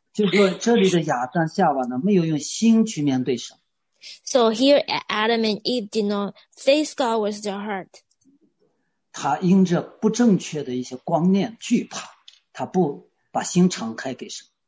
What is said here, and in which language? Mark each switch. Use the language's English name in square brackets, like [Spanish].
[Chinese] 就是说这里的亚当夏娃呢，没有用心去面对神。 [English] So here Adam and Eve did not face God with their heart. [Chinese] 他因着不正确的一些观念惧怕，他不把心敞开给神。